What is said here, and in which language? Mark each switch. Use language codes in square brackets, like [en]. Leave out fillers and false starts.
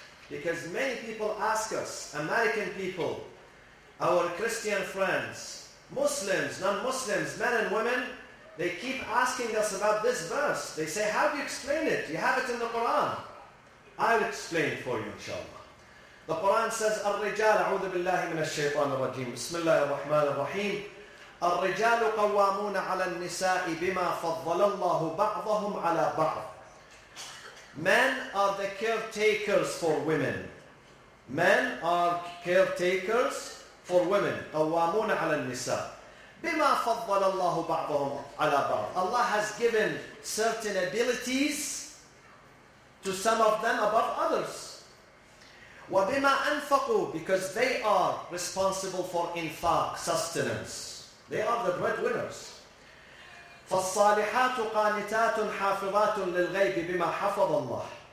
[en] Because many people ask us, American people, our Christian friends, Muslims, non-Muslims, men and women, they keep asking us about this verse. They say, how do you explain it? You have it in the Quran. I'll explain for you, inshallah. [ar] The Quran says, الرجال أعوذ بالله من الشيطان الرجيم بسم الله الرحمن الرحيم الرجال قوامون على النساء بما فضل الله بعضهم على بعض. [en] Men are the caretakers for women. Men are caretakers for women. [ar] قوامون على النساء بما فضل الله بعضهم على بعض. [en] Allah has given certain abilities to some of them above others. [ar] وَبِمَا أَنفَقُوا, [en] because they are responsible for infaq, sustenance. They are the breadwinners. [ar] فَالصَّالِحَاتُ قَانِتَاتٌ حَافِظَاتٌ لِلْغَيْبِ بِمَا حَفَظَ اللَّهِ.